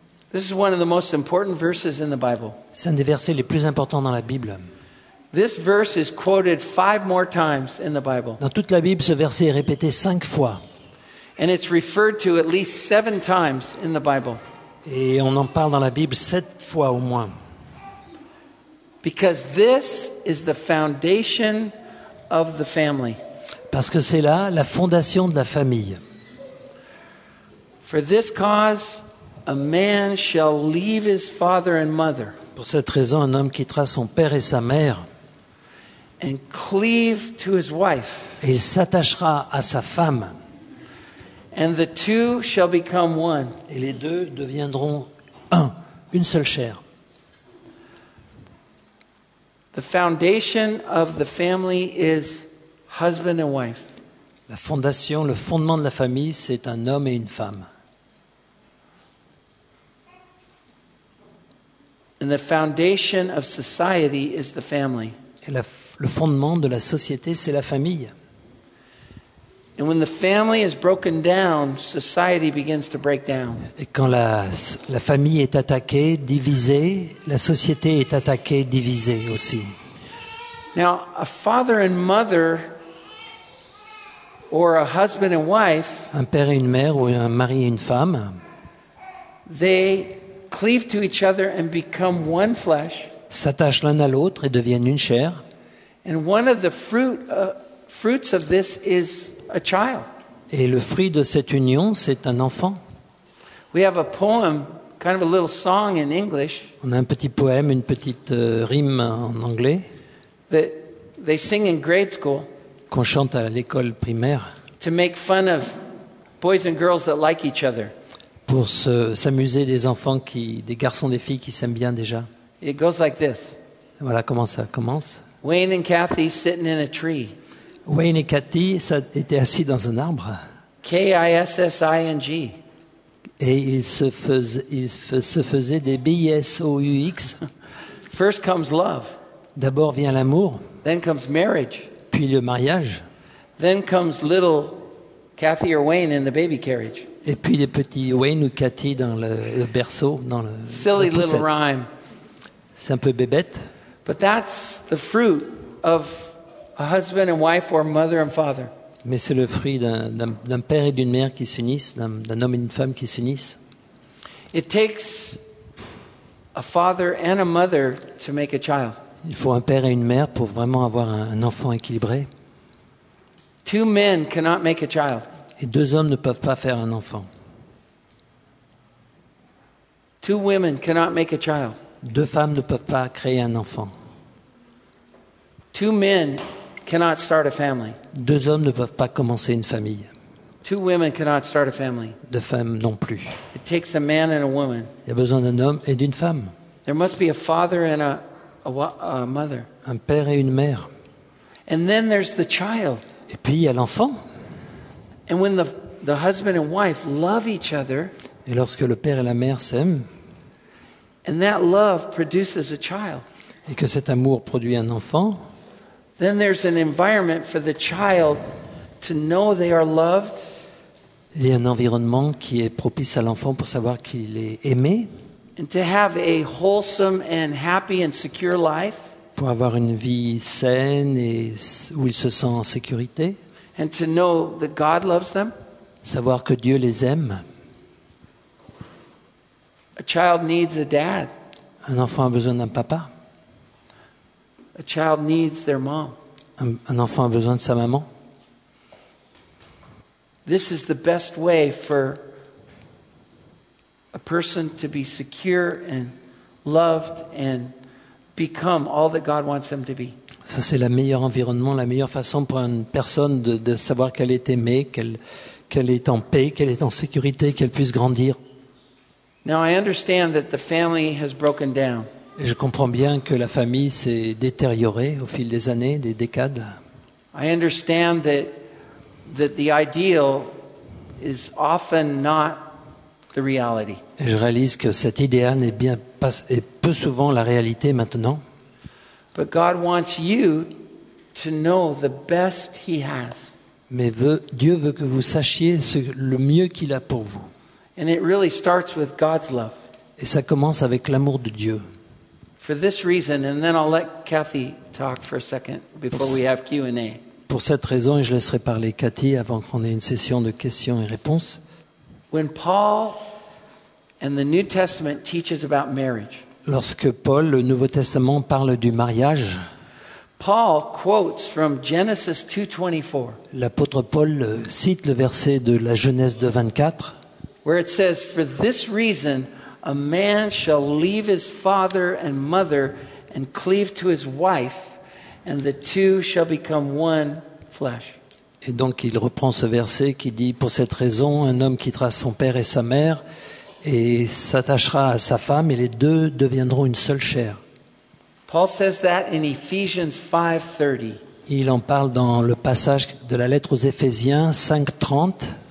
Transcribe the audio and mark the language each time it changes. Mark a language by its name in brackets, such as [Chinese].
[English] This is one of the most important verses in the Bible. [French] C'est un des versets les plus importants dans la Bible. [English] This verse is quoted 5 more times in the Bible. [French] Dans toute la Bible ce verset est répété 5 fois. [English] And it's referred to at least 7 times in the Bible. [French] Et on en parle dans la Bible 7 fois au moins. [English] Because this is the foundation of the family. [French] Parce que c'est là la fondation de la famille. [English] For this cause a man shall leave his father and mother. [French] Pour cette raison un homme quittera son père et sa mère. [English] And cleave to his wife. [French] Et il s'attachera à sa femme. [English] And the two shall become one. [French] Et les deux deviendront un, une seule chair. [English] The foundation of the family is husband and wife. [French] La fondation, le fondement de la famille, c'est un homme et une femme. [English] And the foundation of society is the family. [French] Et le fondement de la société, c'est la famille. [English] And when the family is broken down, society begins to break down. [French] Et quand la famille est attaquée, divisée, la société est attaquée, divisée aussi. [English] Now, a father and mother or a husband and wife, [French] un père et une mère ou un mari et une femme, [English] they cleave to each other and become one flesh, [French] s'attachent l'un à l'autre et deviennent une chair. [English] And one of the fruits of this is a child. [French] Et le fruit de cette union, c'est un enfant. [English] We have a poem, kind of a little song in English. [French] On a un petit poème, une petite rime en anglais. [English] That they sing in grade school. [French] Qu'on chante à l'école primaire. [English] To make fun of boys and girls that like each other. [French] Pour s'amuser des enfants qui, des garçons, des filles qui s'aiment bien déjà. [English] It goes like this. [French] Voilà comment ça commence. [English] Wayne and Kathy sitting in a tree. [French] Wayne et Kathy étaient assis dans un arbre. [English] K-I-S-S-I-N-G. [French] Et ils se faisaient des B-I-S-O-U-X. [English] First comes love. [French] D'abord vient l'amour. [English] Then comes marriage. [French] Puis le mariage. [English] Then comes little Kathy or Wayne in the baby carriage. [French] Et puis les petits Wayne ou Kathy dans le berceau, dans le [English] silly little rhyme. [French] C'est un peu bébête. [English] But that's the fruit of a husband and wife or mother and father. [French] Mais c'est le fruit d'un père et d'une mère qui s'unissent, d'un homme et d'une femme qui s'unissent. [English] It takes a father and a mother to make a child. [French] Il faut un père et une mère pour vraiment avoir un enfant équilibré. [English] Two men cannot make a child. [French] Et deux hommes ne peuvent pas faire un enfant. [English] Two women cannot make a child. [French] Deux femmes ne peuvent pas créer un enfant. [English] Two men cannot start a family. [French] Deux hommes ne peuvent pas commencer une famille. [English] Two women cannot start a family. [French] Deux femmes non plus. [English] It takes a man and a woman. [French] Il y a besoin d'un homme et d'une femme. [English] There must be a father and a mother. [French] Un père et une mère. [English] And then there's the child. [French] Et puis il y a l'enfant. [English] And when the husband and wife love each other, [French] et lorsque le père et la mère s'aiment, [English] and that love produces a child. [French] Et que cet amour produit un enfant. [English] Then there's an environment for the child to know they are loved. [French] Il y a un environnement qui est propice à l'enfant pour savoir qu'il est aimé. [English] And to have a wholesome and happy and secure life. [French] Pour avoir une vie saine et où il se sent en sécurité. [English] And to know that God loves them. [French] Savoir que Dieu les aime. [English] A child needs a dad. [French] Un enfant a besoin d'un papa. [English] A child needs their mom. [French] Un enfant a besoin de sa maman. [English] This is the best way for a person to be secure and loved and become all that God wants them to be. [French] Ça c'est le meilleur environnement, la meilleure façon pour une personne de savoir qu'elle est aimée, qu'elle est en paix, qu'elle est en sécurité, qu'elle puisse grandir. [English] Now I understand that the family has broken down. [French] Et je comprends bien que la famille s'est détériorée au fil des années, des décades. [English] I understand that the ideal is often not the reality. [French] Et je réalise que cet idéal n'est bien pas et peu souvent la réalité maintenant. [English] But God wants you to know the best he has. [French] Mais Dieu veut que vous sachiez le mieux qu'il a pour vous. [English] And it really starts with God's love. [French] Et ça commence avec l'amour de Dieu. [English] For this reason, and then I'll let Kathy talk for a second before we have Q&A. [French] Pour cette raison, et je laisserai parler Kathy avant qu'on ait une session de questions et réponses. [English] When Paul and the New Testament teaches about marriage. [French] Lorsque Paul, le Nouveau Testament, parle du mariage. [English] Paul quotes from Genesis 2:24. [French] L'apôtre Paul cite le verset de la Genèse 2:24. [English] Where it says, for this reason, a man shall leave his father and mother and cleave to his wife, and the two shall become one flesh. [French] Et donc il reprend ce verset qui dit, pour cette raison, un homme quittera son père et sa mère et s'attachera à sa femme, et les deux deviendront une seule chair. [English] Paul says that in Ephesians 5:30. [French] Il en parle dans le passage de la lettre aux Éphésiens 5:30.